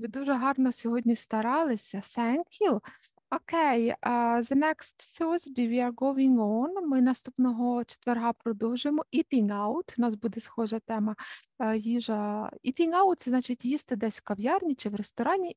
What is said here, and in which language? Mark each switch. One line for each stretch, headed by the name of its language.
Ukrainian: Ви дуже гарно сьогодні старалися.
English: Thank you. Okay, the next Thursday we are going on.
Ukrainian: Ми наступного четверга продовжуємо eating out. У нас буде схожа тема їжа. Eating out – це значить їсти десь в кав'ярні чи в ресторані.